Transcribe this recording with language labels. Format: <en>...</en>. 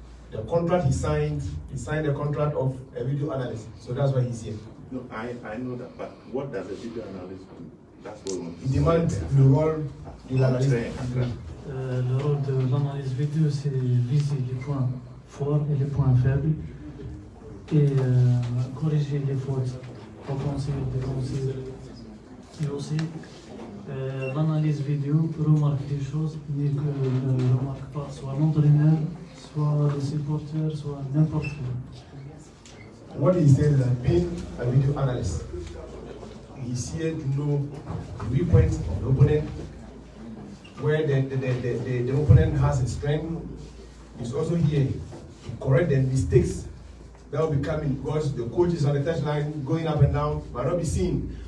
<en>The contract he signed a contract of a video analyst. So that's why he's here. No, I know that, but what does a video analyst do? That's what I want to say. He demands the role</en> <fr>de l'analyse. Le rôle de l'analyse vidéo, c'est viser les points forts et les points faibles et corriger les fautes offensives, défensives. Et aussi, l'analyse vidéo remarque des choses mais que ne remarque pas soit l'entraîneur, soit le supporter, soit n'importe qui.</fr> <en>What is the pain of a video analyst? He's here to know the weak points of the opponent, where the opponent has a strength. He's also here to correct the mistakes that will be coming, because the coach is on the touchline going up and down, might not be seen.</en>